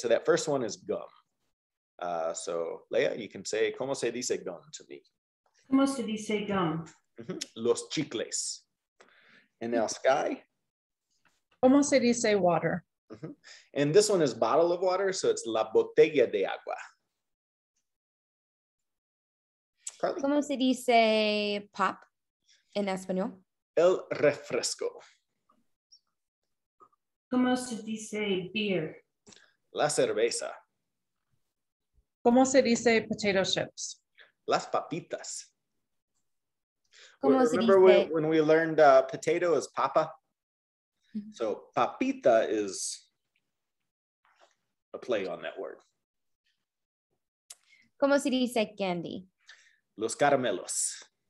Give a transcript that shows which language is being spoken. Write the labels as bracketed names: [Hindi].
[English] So that first one is gum. So Leia, you can say [Spanish] ¿Cómo se dice [English] gum to me? [Spanish] ¿Cómo se dice gum? Mm-hmm. Los chicles. [English] And now, [Spanish] Sky? ¿Cómo se dice water? Mm-hmm. [English] And this one is bottle of water, so it's [Spanish] la botella de agua. [English] Carly? [Spanish] ¿Cómo se dice pop en español? El refresco. ¿Cómo se dice beer? La cerveza. ¿Cómo se dice potato chips? Las papitas. [English] Remember when we learned potato is papa? Mm-hmm. So papita is a play on that word. [Spanish] ¿Cómo se dice candy? Los caramelos.